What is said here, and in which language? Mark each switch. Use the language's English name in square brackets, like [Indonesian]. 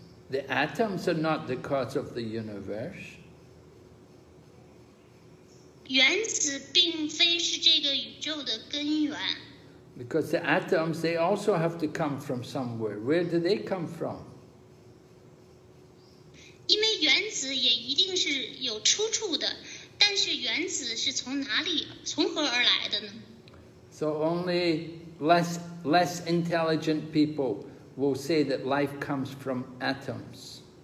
[English] The atoms are not the cause of the universe. [Chinese] 原子并非是这个宇宙的根源. [English] Because the atoms, they also have to come from somewhere. Where do they come from? [Chinese] 因为原子也一定是有出处的, 但是原子是从哪里,从何而来的呢? [English] So only less intelligent people will say that life comes from atoms.